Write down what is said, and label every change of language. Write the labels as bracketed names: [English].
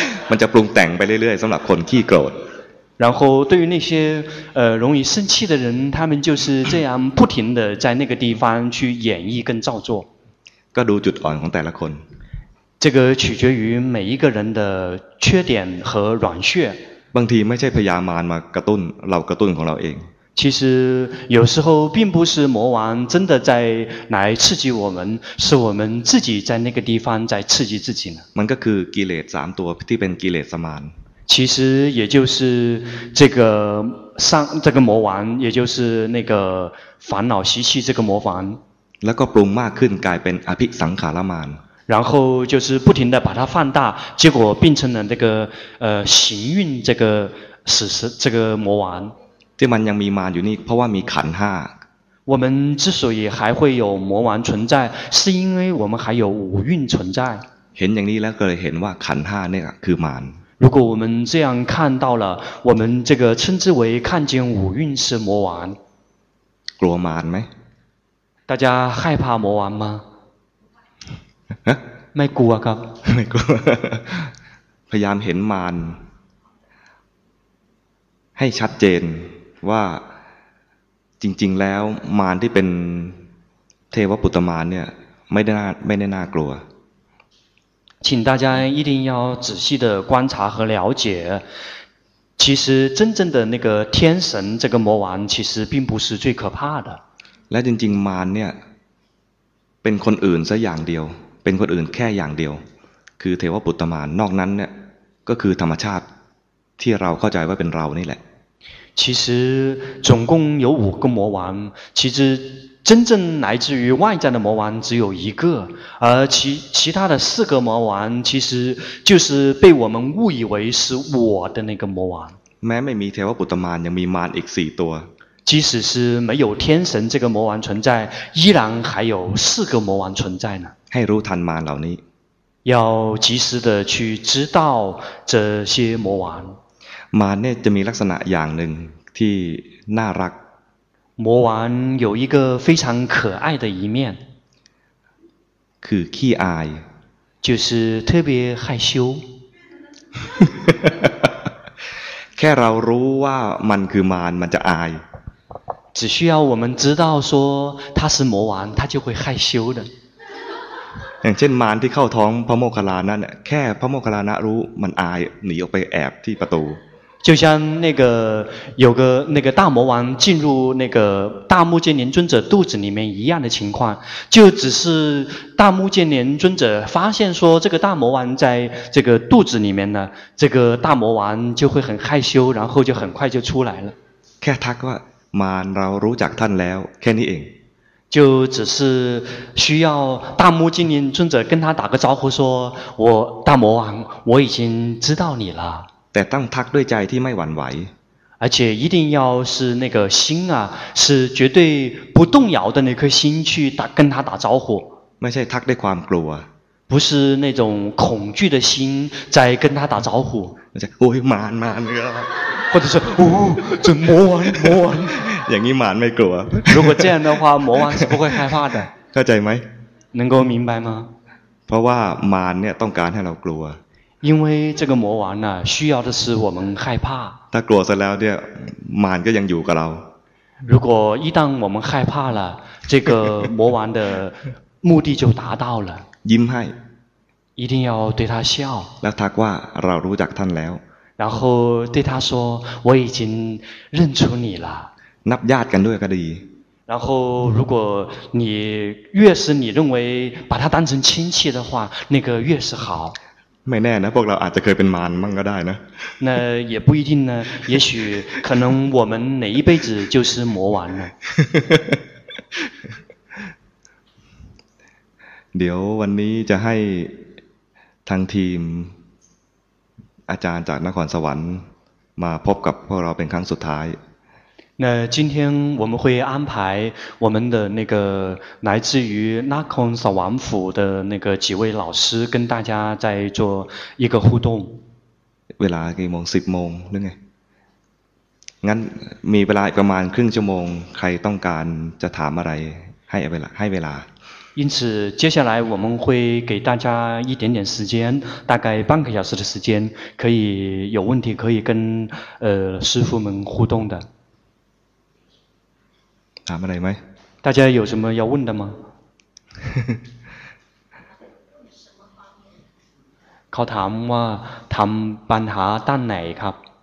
[Thai] มันจะปรุงแต่งไปเรื่อยๆสำหรับคนขี้โกรธ [Chinese] 然后对于那些容易生气的人他们就是这样不停的在那个地方去演绎跟照做 [Thai] ก็ดูจุดอ่อนของแต่ละคน [Chinese] 这个取决于每一个人的缺点和软穴 [Thai] บางทีไม่ใช่พยามารมากระตุ้นเรากระตุ้นของเราเอง [Chinese] 其实有时候并不是魔王真的在来刺激我们，是我们自己在那个地方在刺激自己呢。 [Thai] มันก็คือกิเลสสามตัวที่เป็นกิเลสสมาน [Chinese] 其实也就是这个上这个魔王，也就是那个烦恼习气这个魔王。 [Thai] แล้วก็ปรุงมากขึ้นกลายเป็นอภิสังขารมาน。 [Chinese] 然后就是不停的把它放大，结果变成了这个行运这个死神这个魔王。 [Thai] ที่มันยังมีมารอยู่นี่เพราะว่ามีขันห้า。 [Chinese] 我们之所以还会有魔王存在，是因为我们还有五蕴存在。 [Thai] เห็นอย่างนี้แล้วก็เลยเห็นว่าขันห้านี่คือมาร。 [Chinese] 如果我们这样看到了，我们这个称之为看见五蕴是魔王。 [Thai] กลัวมารไหม？ [Chinese] 大家害怕魔王吗？ [Thai] ไม่กลัวครับ。 ไม่กลัว。 พยายามเห็นมารให้ชัดเจนว่าจริงๆแล้วมารที่เป็นเทวปุตตมารเนี่ยไม่ได้น่ากลัว。 [Chinese] 请大家一定要仔细的观察和了解，其实真正的那个天神这个魔王其实并不是最可怕的。 [Thai] และจริงๆมารเนี่ยเป็นคนอื่นซะอย่างเดียวเป็นคนอื่นแค่อย่างเดียวคือเทวปุตตมารนอกนั้นเนี่ยก็คือธรรมชาติที่เราเข้าใจว่าเป็นเรานี่แหละ [Chinese] 其实总共有五个魔王，其实真正来自于外在的魔王只有一个，而其他的四个魔王其实就是被我们误以为是我的那个魔王。 [Thai] แม้ไม่มีเทวปุตตมารยังมีมารอีกสี่ตัว。 [Chinese] 即使是没有天神这个魔王存在，依然还有四个魔王存在呢。 [Thai] ให้รู้ทันมารเหล่านี้。 [Chinese] 要及时的去知道这些魔王。 [Thai] มารเนี่ยจะมีลักษณะอย่างหนึ่งที่น่ารัก [Chinese] 魔王有一个非常可爱的一面 [Thai] คือขี้อาย [Chinese] 就是特别害羞 [Thai] แค่เรารู้ว่ามันคือมารมันจะอาย [Chinese] 只需要我们知道说他是魔王他就会害羞的 [Thai] อย่างเช่นมารที่เข้าท้องพระโมคคัลลานะเนี่ยแค่พระโมคคัลลานะรู้มันอายหนีออกไปแอบที่ประตู [Chinese] 就像那个有个那个大魔王进入那个大目犍连尊者肚子里面一样的情况，就只是大目犍连尊者发现说这个大魔王在这个肚子里面呢，这个大魔王就会很害羞，然后就很快就出来了。 [Thai] แค่ทักว่ามารเรารู้จักท่านแล้วแค่นี้เอง。 [Chinese] 就只是需要大目犍连尊者跟他打个招呼说，我大魔王，我已经知道你了。 [Thai] แต่ต้องทักด้วยใจที่ไม่หวั่นไหว [Chinese] 而且一定要是那个心啊是绝对不动摇的那颗心去打跟他打招呼 [Thai] ไม่ใช่ทักด้วยความกลัว [Chinese] 不是那种恐惧的心在跟他打招呼 [Thai] ไม่ใช่โอ้ยมารมาเนี่ย [Chinese] 或者是โอ้这魔王魔王 [Thai] อย่างนี้มารไม่กลัว [Chinese] 如果这样的话魔王是不会害怕的 [Thai] เข้าใจไหม [Chinese] 能够明白吗 [Thai] เพราะว่ามารเนี่ยต้องการให้เรากลัว [Chinese] 因为这个魔王呢需要的是我们害怕 [Thai] ถ้ากลัวซะแล้วเนี่ยมารก็ยังอยู่กับเรา [Chinese] 如果一旦我们害怕了这个魔王的目的就达到了 [Thai] ยิ้มให้ [Chinese] 一定要对他笑 [Thai] แล้วทักว่าเรารู้จักท่านแล้ว [Chinese] 然后对他说我已经认出你了 [Thai] นับญาติกันด้วยก็ดี [Chinese] 然后如果你越是你认为把他当成亲戚的话那个越是好 [Thai] ไม่แน่นะพวกเราอาจจะเคยเป็นมารมั่งก็ได้นะ [Chinese] 那也不一定呢也许可能我们哪一辈子就是魔王呢 [Thai] เดี๋ยววันนี้จะให้ทางทีมอาจารย์จากนครสวรรค์มาพบกับพวกเราเป็นครั้งสุดท้าย [Chinese] 那今天我们会安排我们的那个来自于那空扫王府的那个几位老师跟大家在做一个互动。 [Thai] เวลากี่โมง10โมงหรือไง งั้นมีเวลาประมาณครึ่งชั่วโมงใครต้องการจะถามอะไรให้เวลา [Chinese] 因此接下来我们会给大家一点点时间大概半个小时的时间可以有问题可以跟师父们互动的 [Thai] ถามอะไรไหม [Chinese] 大家有什么要问的吗 [Thai] เขาถามว่าทำปัญหาด้านไหนครับ